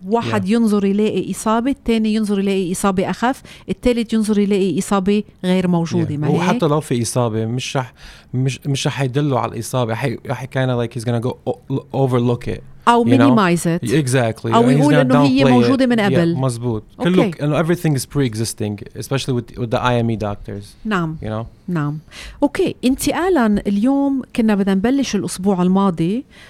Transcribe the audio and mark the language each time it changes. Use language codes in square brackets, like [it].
[ar] واحد ينظر يلاقي إصابة، الثاني ينظر يلاقي إصابة أخف، الثالث ينظر يلاقي إصابة غير موجودة. Yeah. وحتى لو في إصابة مش رح يدله على الإصابة، رح كان [en] like he's gonna go overlook it. [ar] أو [en] minimize it. Exactly. [ar] أو يقول إنه هي موجودة من قبل. [en] Yeah, [ar] مزبوط. [en] Okay. [ar] كل [en] look, you know, everything is pre-existing, especially with the IME doctors. [ar] نعم. [en] You know. [ar] نعم. [en] Okay. [ar] انتقالاً اليوم كنا بدنا نبلش الأسبوع الماضي.